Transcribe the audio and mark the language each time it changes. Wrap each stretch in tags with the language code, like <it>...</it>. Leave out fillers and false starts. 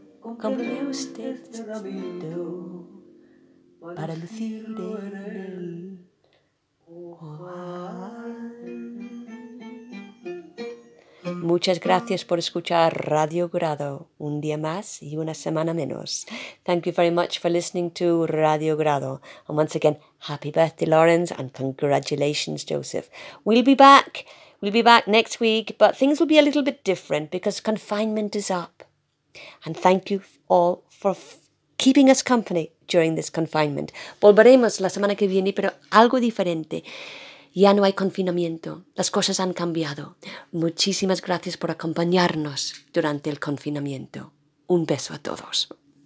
<es>Cómpreme usted este ramito para lucir en él. Muchas gracias por escuchar Radio Grado, un día más y una semana menos.</es> <en>Thank you very much for listening to Radio Grado. And once again, happy birthday, Lawrence, and congratulations, Joseph. We'll be back next week, but things will be a little bit different because confinement is up. And thank you all for keeping us company during this confinement.</en> <es>Volveremos la semana que viene, pero algo diferente. Ya no hay confinamiento. Las cosas han cambiado. Muchísimas gracias por acompañarnos durante el confinamiento. Un beso a todos.</es>